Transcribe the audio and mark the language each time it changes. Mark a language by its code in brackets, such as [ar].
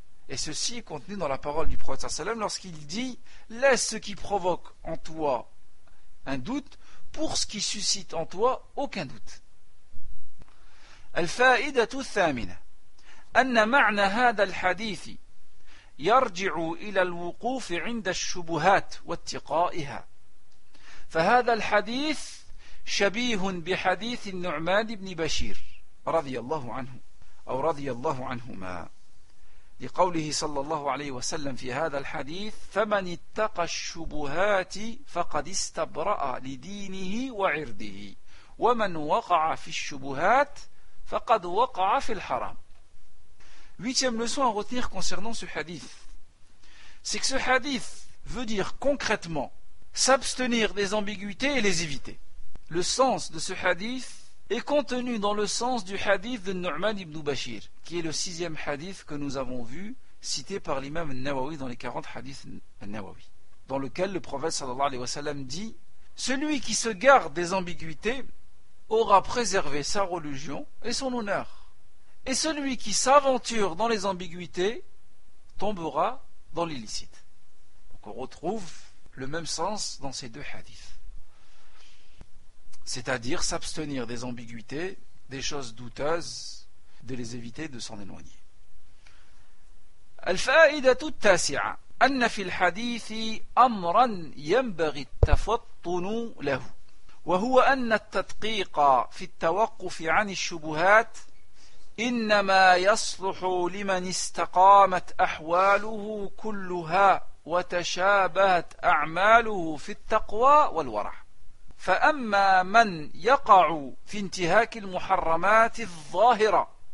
[fr] Et ceci est contenu dans la parole du prophète sallallahu alayhi wa sallam lorsqu'il dit « Laisse ce qui provoque en toi un doute pour ce qui suscite en toi aucun doute. » [ar] الفائدة الثامنة أن معنى هذا الحديث يرجع إلى الوقوف عند الشبهات واتقائها فهذا الحديث شبيه بحديث النعمان بن بشير رضي الله عنه أو رضي الله عنهما لقوله صلى الله عليه وسلم في هذا الحديث فمن اتقى الشبهات فقد استبرأ لدينه وعرضه ومن وقع في الشبهات فقد وقع في الحرام. [fr] Huitième leçon à retenir concernant ce hadith, c'est que ce hadith veut dire concrètement s'abstenir des ambiguïtés et les éviter. Le sens de ce hadith est contenu dans le sens du hadith de Nu'man ibn Bashir, qui est le sixième hadith que nous avons vu, cité par l'imam al-Nawawi dans les 40 hadiths al-Nawawi, dans lequel le prophète sallallahu alayhi wa sallam dit « Celui qui se garde des ambiguïtés aura préservé sa religion et son honneur. » Et celui qui s'aventure dans les ambiguïtés tombera dans l'illicite. Donc on retrouve le même sens dans ces deux hadiths. c'est-à-dire s'abstenir des ambiguïtés, des choses douteuses, de les éviter, de s'en éloigner. [ar] الفائدة التاسعة أن في الحديث أمرا ينبغي التفطن له وهو أن التدقيق في التوقف عن الشبهات إنما يصلح لمن استقامت أحواله كلها وتشابهت أعماله في التقوى والورع فأما من يقع في انتهاك المحرمات الظاهرة